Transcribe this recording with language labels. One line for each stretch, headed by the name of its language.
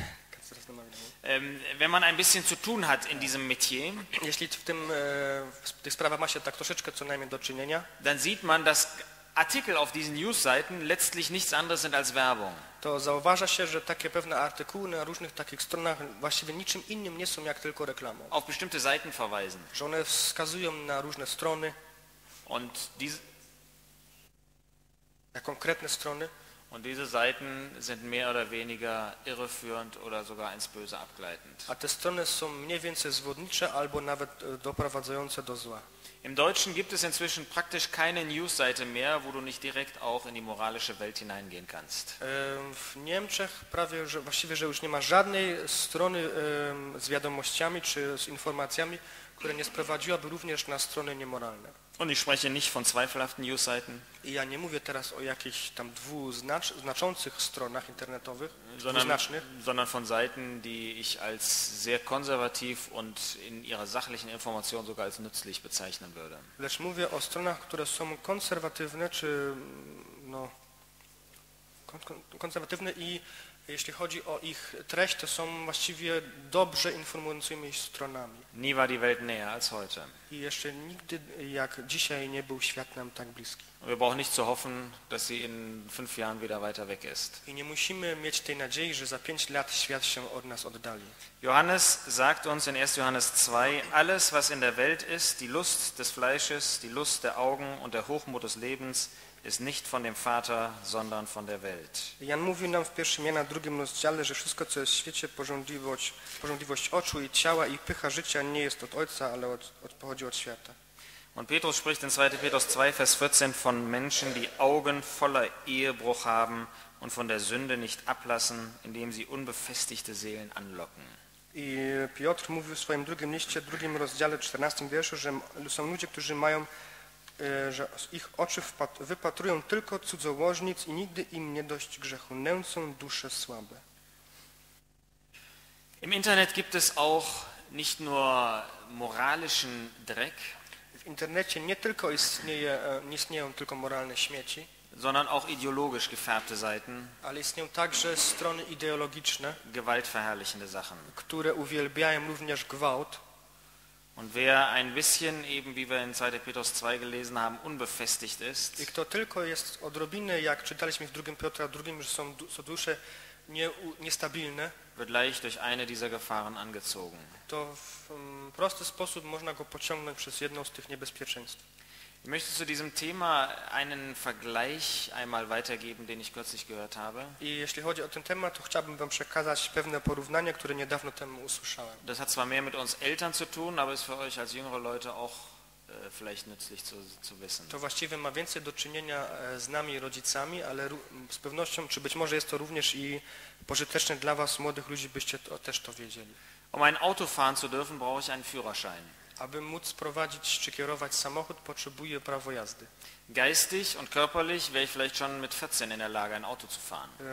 German: Kannst du das nochmal wiederholen? Wenn man ein bisschen zu tun hat in diesem Metier,
Polish: jeśli w tym sprawach ma się tak troszeczkę co najmniej do czynienia,
German: dann sieht man, dass Artikel auf diesen Newsseiten letztlich nichts anderes sind als Werbung.
Polish: To zauważa się, że takie pewne artykuły na różnych takich stronach właściwie niczym innym nie są jak tylko reklamą.
German: Auf bestimmte Seiten verweisen.
Polish: Że one wskazują na różne strony.
German: Und diese
Polish: na konkretne strony.
German: Und diese Seiten sind mehr oder weniger irreführend oder sogar ins Böse abgleitend.
Polish: A te strony są mniej więcej zwodnicze albo nawet doprowadzające do zła.
German: Im Deutschen gibt es inzwischen praktisch keine Newsseite mehr, wo du nicht direkt auch in die moralische Welt hineingehen kannst.
Polish: W Niemczech prawie, że właściwie, że już nie ma żadnej strony z wiadomościami czy z informacjami, które nie sprowadziłaby również na strony niemoralne.
German: Und ich spreche nicht von zweifelhaften Newsseiten.
Polish: I ja nie mówię teraz o jakichś tam znaczących stronach internetowych, dwuznacznych.
German: Sondern von Seiten, die ich als sehr konservativ und in ihrer sachlichen Information sogar als nützlich bezeichnen würde.
Polish: Lecz mówię o stronach, które są konserwatywne, czy no konserwatywne i jeśli chodzi o ich treść, to są właściwie dobrze informującymi stronami.
German: Nie war die Welt näher als heute.
Polish: I jeszcze nigdy jak dzisiaj nie był świat nam tak bliski.
German: Wir brauchen nicht zu hoffen, dass sie in 5 Jahren wieder weiter weg ist.
Polish: I nie musimy mieć tej nadziei, że za 5 lat świat się od nas oddali.
German: Johannes sagt uns in 1. Johannes 2, alles was in der Welt ist, die Lust des Fleisches, die Lust der Augen und der Hochmut des Lebens, ist nicht von dem Vater, sondern von der Welt.
Polish: Jan mówił nam w pierwszym Jana, drugim rozdziale, że wszystko, co jest w świecie, pożądliwość oczu i ciała i pycha życia, nie jest od Ojca, ale pochodzi od świata.
German: Und Petrus spricht in 2. Petrus 2, Vers 14 von Menschen, die Augen voller Ehebruch haben und von der Sünde nicht ablassen, indem sie unbefestigte Seelen anlocken.
Polish: I Piotr mówił w swoim drugim liście, drugim rozdziale, 14. wierszu, że są ludzie, którzy mają że ich oczy wypatrują tylko cudzołożnic i nigdy im nie dość grzechu, nęcą dusze słabe.
German: Im Internet gibt es auch nicht nur moralischen Dreck.
Polish: W internecie nie tylko istnieją tylko moralne śmieci,
German: sondern auch ideologisch gefärbte Seiten.
Polish: Ale istnieją także strony ideologiczne,
German: gewaltverherrlichende Sachen,
Polish: które uwielbiają również gwałt.
German: Und wer ein bisschen, eben wie wir in 2. Petrus 2 gelesen haben, unbefestigt ist,
Polish: i kto tylko jest odrobinę, jak czytaliśmy w 2. Piotra, drugim, że są co dusze niestabilne,
German: wird leicht durch eine dieser Gefahren angezogen.
Polish: To w prosty sposób można go pociągnąć przez jedną z tych niebezpieczeństw.
German: Ich möchte zu diesem Thema einen Vergleich einmal weitergeben, den ich kürzlich gehört habe.
Polish: I jeśli chodzi o ten temat, to chciałbym wam przekazać pewne porównanie, które niedawno temu usłyszałem.
German: Das hat zwar mehr mit uns Eltern zu tun, aber ist für euch als jüngere Leute auch vielleicht nützlich zu wissen.
Polish: To właściwie ma więcej do czynienia z nami rodzicami, ale z pewnością, czy być może jest to również i pożyteczne dla was młodych ludzi, byście to też to wiedzieli.
German: Um ein Auto fahren zu dürfen, brauche ich einen Führerschein.
Polish: Aby móc prowadzić czy kierować samochód, potrzebuję prawo jazdy.
German: Geistig und körperlich wäre ich vielleicht schon mit 14 in der Lage, ein Auto zu fahren.